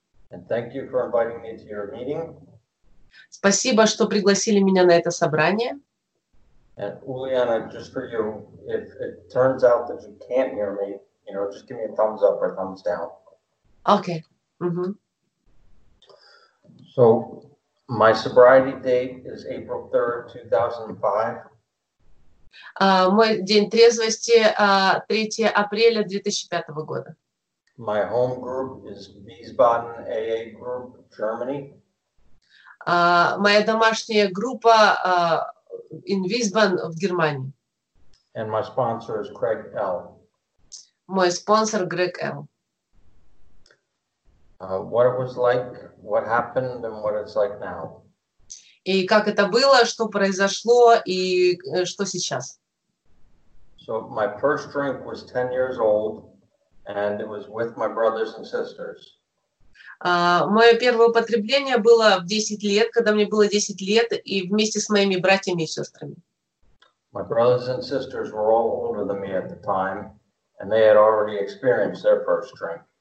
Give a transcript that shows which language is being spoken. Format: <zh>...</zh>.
<en>And thank you for inviting me to your meeting.</en> <ru>Спасибо, что пригласили меня на это собрание.</ru> <en>And Uliana, just for you, if it turns out that you can't hear me, you know, just give me a thumbs up or thumbs down. Okay. Mm-hmm. So my sobriety date is April 3rd, 2005.</en> <ru>Мой день трезвости 3 апреля 2005 года.</ru> <en>My home group is Wiesbaden AA Group, Germany.</en> <ru>Моя домашняя группа in Wiesbaden в Германии.</ru> <en>And my sponsor is Craig L.</en> <ru>Мой спонсор Greg L.</ru> <en>What it was like, what happened, and what it's like now.</en> <ru>И как это было, что произошло и что сейчас.</ru> <en>So my first drink was 10 years old, and it was with my brothers and sisters.</en> <ru>Мое первое употребление было в 10 лет, когда мне было 10 лет, и вместе с моими братьями и сестрами.</ru> <en>My brothers and sisters were all older than me at the time, and they had already experienced their first drink.</en>